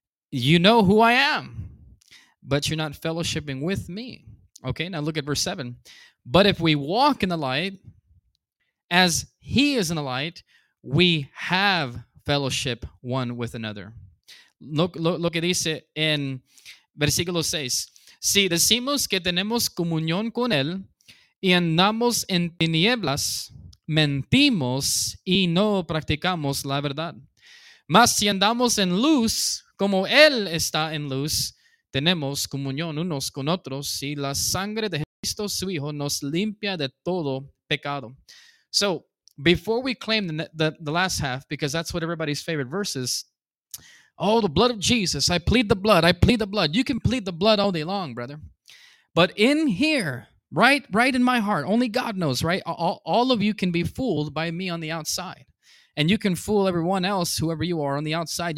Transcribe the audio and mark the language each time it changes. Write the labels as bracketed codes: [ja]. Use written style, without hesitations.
[en] You know who I am, but you're not fellowshipping with me. Okay, now look at verse 7. But if we walk in the light, as He is in the light, we have fellowship one with another. Look at this in versículo 6. [es] Si decimos que tenemos comunión con Él y andamos en tinieblas, mentimos y no practicamos la verdad. Mas si andamos en luz, como Él está en luz, tenemos comunión unos con otros, y la sangre de Cristo, su Hijo, nos limpia de todo pecado. [en] So, before we claim the last half, because that's what everybody's favorite verse is, oh, the blood of Jesus, I plead the blood, I plead the blood. You can plead the blood all day long, brother. But in here, right in my heart, only God knows, right? All of you can be fooled by me on the outside. And you can fool everyone else, whoever you are on the outside.